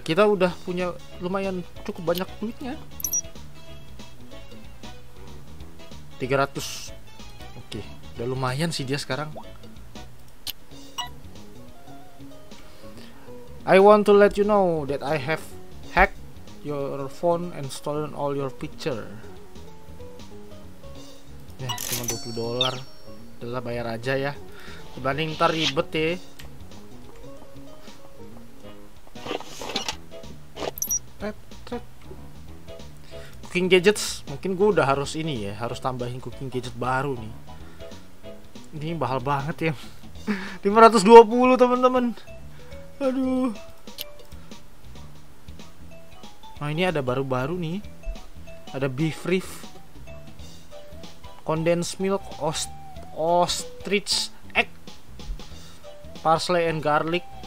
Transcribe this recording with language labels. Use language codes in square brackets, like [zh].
[id] Kita udah punya lumayan cukup banyak duitnya. 300. Oke, udah lumayan sih dia sekarang. [en] I want to let you know that I have hacked your phone and stolen all your picture. [id] Ya, cuma $20. Udah bayar aja ya. Dibanding ntar ribet ya. Cooking gadgets, mungkin gue udah harus ini ya, harus tambahin cooking gadget baru nih. Ini mahal banget ya, 520 teman-teman. Aduh. Nah, ini ada baru-baru nih, ada beef reef. [en] condensed milk, ostrich egg, parsley and garlic.